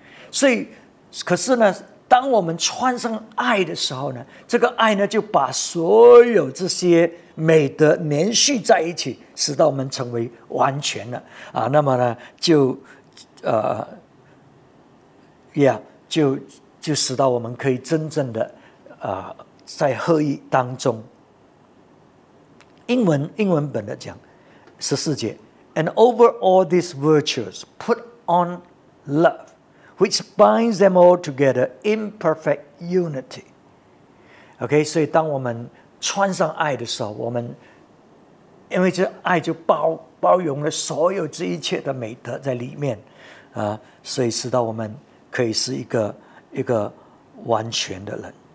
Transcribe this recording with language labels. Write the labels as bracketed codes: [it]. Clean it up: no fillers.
[zh] 所以可是呢，当我们穿上爱的时候呢，这个爱呢就把所有这些美德连续在一起，使到我们成为完全了、那么呢就就使到我们可以真正的、在合一当中。英文本的讲十四节， [en] And over all these virtues put on love, which binds them all together in perfect unity. [zh] OK, 所以当我们穿上爱的时候，我们因为这爱就 包容了所有这一切的美德在里面、所以使到我们可以是一个完全的人。